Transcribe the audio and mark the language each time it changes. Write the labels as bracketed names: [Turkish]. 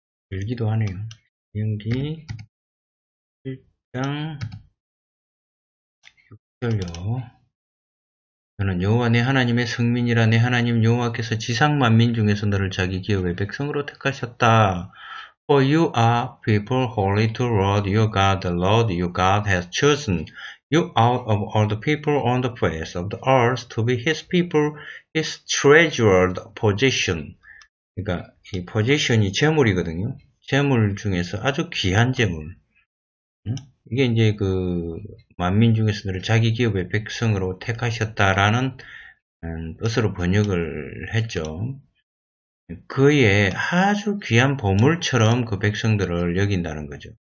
[Korean] 길기도 하네요. 신명기 7장 6절요. 너는 여호와 내 하나님의 성민이라. 내 하나님 여호와께서 지상 만민 중에서 너를 자기 기업의 백성으로 택하셨다. [English] For you are people holy to Lord your God. The Lord your God has chosen you out of all the people on the face of the earth to be his people, his treasured possession. [Korean] 그러니까 이 possession이 재물이거든요. 재물 중에서 아주 귀한 재물. 이게 이제 그 만민 중에서 너를 자기 기업의 백성으로 택하셨다라는 뜻으로 번역을 했죠. 그의 아주 귀한 보물처럼 그 백성들을 여긴다는 거죠.